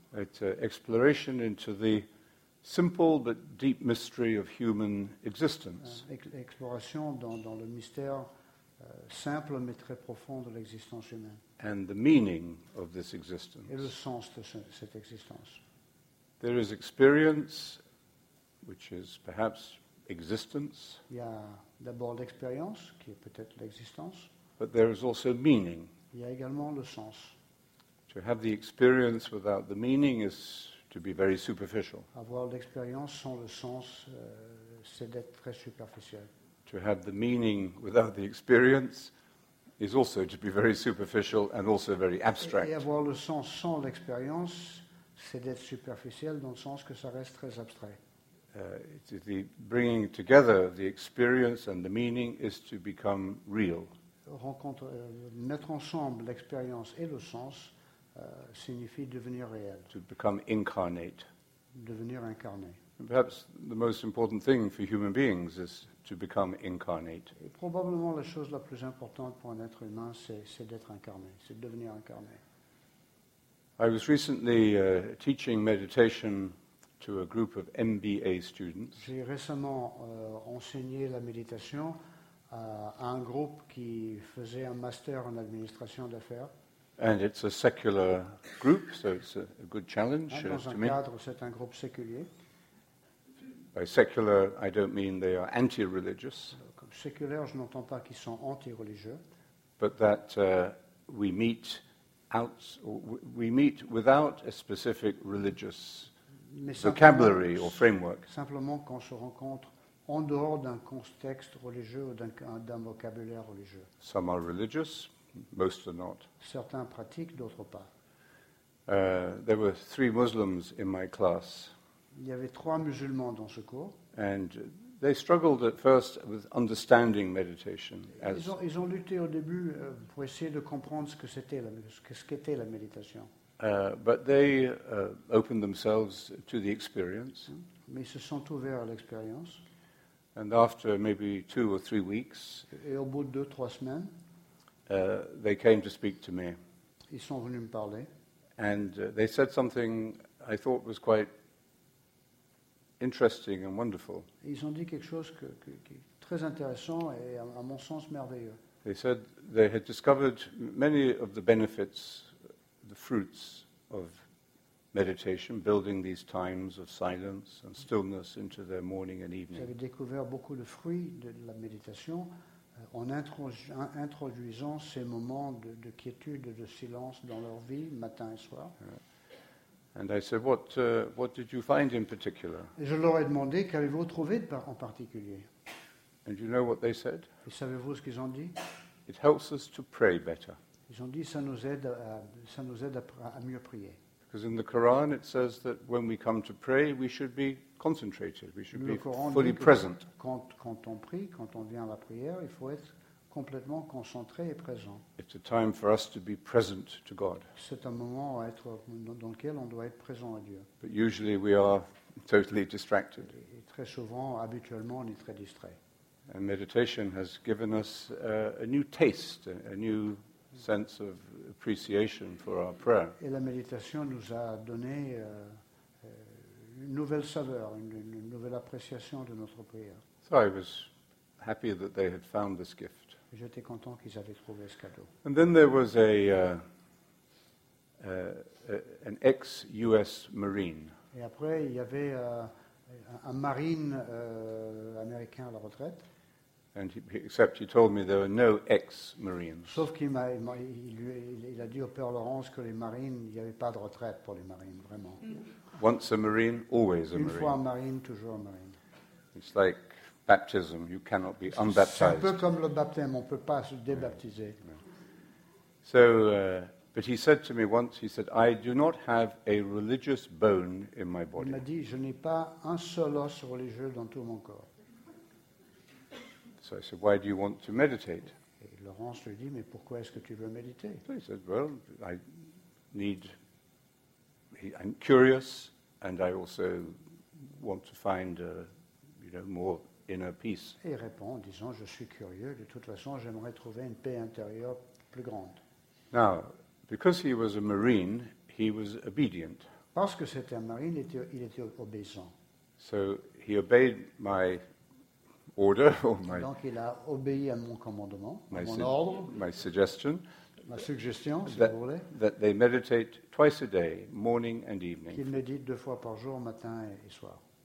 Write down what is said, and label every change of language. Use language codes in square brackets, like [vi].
[en] It's an exploration into the simple but deep mystery of human existence. [fr] Exploration dans le mystère simple mais très profond de l'existence humaine. [en] And the meaning of this existence. [fr] Et le sens de cette existence. [en] There is experience, which is perhaps existence. [fr] Il y a d'abord l'expérience, qui est peut-être l'existence. [en] But there is also meaning. [fr] Il y a également le sens. [en] To have the experience without the meaning is to be very superficial. [fr] Avoir l'expérience sans le sens, c'est d'être très superficiel. [en] To have the meaning without the experience is also to be very superficial and also very abstract. [fr] Et avoir le sens sans l'expérience, c'est d'être superficiel dans le sens que ça reste très abstrait. [en] The bringing together the experience and the meaning is to become real. [fr] Mettre ensemble l'expérience et le sens signifie devenir réel. [en] To become incarnate. [fr] Devenir incarné. [en] Perhaps the most important thing for human beings is to become incarnate. [fr] Et probablement la chose la plus importante pour un être humain, c'est d'être incarné, c'est de devenir incarné. [en] I was recently teaching meditation to a group of MBA students. [fr] J'ai récemment enseigné la méditation à un groupe qui faisait un master en administration d'affaires. [en] And it's a secular group, so it's a good challenge to me. [fr] Dans un cadre, c'est un groupe séculier. [en] By secular, I don't mean they are anti-religious. [fr] Comme séculaire, je n'entends pas qu'ils sont anti-religieux. [en] But that we meet out, we meet without a specific religious vocabulary or framework. [fr] Simplement qu'on se rencontre en dehors d'un contexte religieux ou d'un vocabulaire religieux. [en] Some are religious, most are not. [fr] Certains pratiquent, d'autres pas. [en] There were three Muslims in my class. [fr] Il y avait trois musulmans dans ce cours. [en] And they struggled at first with understanding meditation. [fr] Ils ont lutté au début pour essayer de comprendre ce qu'était la méditation. [en] But they opened themselves to the experience. [fr] Mais ils se sont ouverts à l'expérience. [en] And after maybe 2 or 3 weeks, [fr] et au bout de 2-3 semaines, [en] they came to speak to me. [fr] Ils sont venus me parler. [en] And they said something I thought was quite interesting and wonderful. [fr] Ils ont dit quelque chose qui est très intéressant et à mon sens merveilleux. [en] They said they had discovered many of the benefits, the fruits of meditation, building these times of silence and stillness into their morning and evening. [fr] J'avais découvert beaucoup de fruits de la méditation en introduisant ces moments de quiétude et de silence dans leur vie, matin et soir. [en] And I said, what did you find in particular? [fr] Et je leur ai demandé, qu'avez-vous trouvé en particulier? [en] And you know what they said? [fr] Et savez-vous ce qu'ils ont dit? [en] It helps us to pray better. [fr] Ils ont dit, ça nous aide à mieux prier. [en] Because in the Quran it says that when we come to pray, we should be concentrated, we should [fr] le [en] be fully present. [fr] Quand on prie, quand on vient à la prière, il faut être complètement concentré et présent. [en] It's a time for us to be present to God. [fr] C'est un moment dans lequel on doit être présent à Dieu. [en] But usually we are totally distracted. [fr] Et très souvent, habituellement, on est très distrait. [en] And meditation has given us a new taste, a new sense of appreciation for our prayer. [fr] Et la méditation nous a donné une nouvelle saveur, une nouvelle appréciation de notre prière. [en] So I was happy that they had found this gift. [fr] J'étais content qu'ils avaient trouvé ce cadeau. [en] And then there was an ex-US Marine. [fr] Et après, il y avait un marine américain à la retraite. [en] And except he told me there were no ex-Marines. [fr] Sauf qu'il il a dit au père Laurence que les marines, il n'y avait pas de retraite pour les marines, vraiment. [en] Once a marine, always a marine. [fr] Une fois un marine, toujours un marine. [en] It's like baptism, you cannot be unbaptized. [fr] C'est un peu comme le baptême, on ne peut pas se débaptiser. [en] But he said to me once, he said, I do not have a religious bone in my body. [fr] Il m'a dit, je n'ai pas un seul os religieux dans tout mon corps. [en] So I said, why do you want to meditate? [fr] Et Laurence lui dit, mais pourquoi est-ce que tu veux méditer? [en] So he said, well, I'm curious, and I also want to find more inner peace. [fr] Et il répond en disant, je suis curieux, de toute façon, j'aimerais trouver une paix intérieure plus grande. [en] Now, because he was a marine, he was obedient. [fr] Parce que c'était un marine, il était obéissant. [en] So he obeyed my order, or my, [fr] donc il a obéi à mon commandement, à mon ordre, [en] my suggestion, [fr] ma suggestion, si [en] that, [fr] vous voulez, [en] that they meditate twice a day, morning and evening. [fr] Qu'il médite deux fois par jour, matin et soir.